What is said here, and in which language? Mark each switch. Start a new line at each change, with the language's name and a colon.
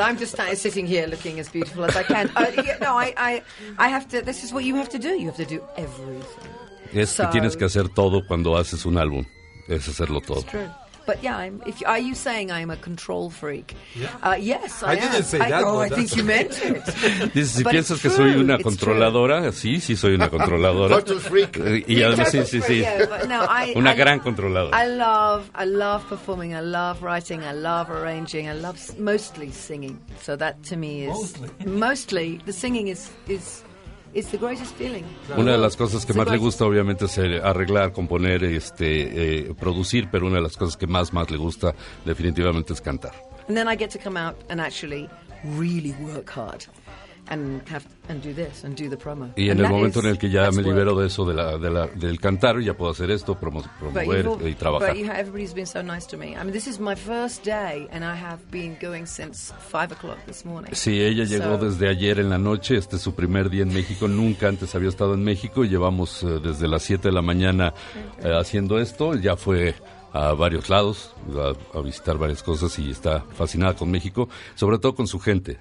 English: I'm just sitting here looking as beautiful as I can. I have to. This is what you have to do. You have to do everything.
Spanish: Es que tienes que hacer todo cuando haces un álbum. Es hacerlo todo.
English: It's true. But yeah, are you saying I'm a control freak? Yeah. Yes, I am. I didn't say that. Oh, I think you meant it.
Spanish: Dices, si piensas que soy una controladora, sí, soy una controladora.
English: Control freak.
Spanish: Y además, sí. Una gran controladora.
English: I love performing, I love writing, I love arranging, I love mostly singing. So that to me is... Mostly. Mostly, the singing is... It's the greatest feeling.
Spanish: Una de las cosas que más le gusta, obviamente, es arreglar, componer, producir, pero una de las cosas que más le gusta, definitivamente, es cantar.
English: And then I get to come out and actually really work hard and do this and do the promo.
Spanish: Y en
English: and
Spanish: el momento en el que ya me libero de eso, del cantar, ya puedo hacer esto, promover
English: but
Spanish: y trabajar.
English: But everybody's been so nice to me. I mean, this is my first day and I have been going since 5 o'clock this morning.
Spanish: Sí, ella llegó desde ayer en la noche. Este es su primer día en México. Nunca antes había estado en México. Llevamos desde las 7 de la mañana haciendo esto. Ya fue a varios lados, a visitar varias cosas, y está fascinada con México, sobre todo con su gente.